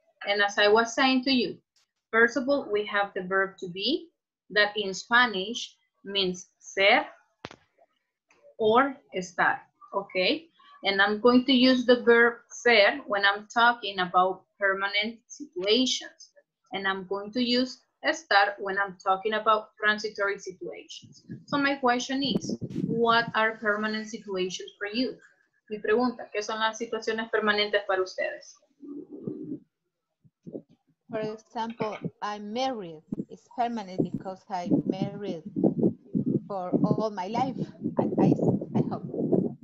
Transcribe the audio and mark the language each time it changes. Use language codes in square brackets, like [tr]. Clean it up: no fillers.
[en] And as I was saying to you, first of all, we have the verb to be that in Spanish means ser or estar, okay? And I'm going to use the verb ser when I'm talking about permanent situations. And I'm going to use estar when I'm talking about transitory situations. So my question is, what are permanent situations for you? [es] Mi pregunta, ¿qué son las situaciones permanentes para ustedes? [en] For example, I'm married. It's permanent because I'm married for all my life, I hope.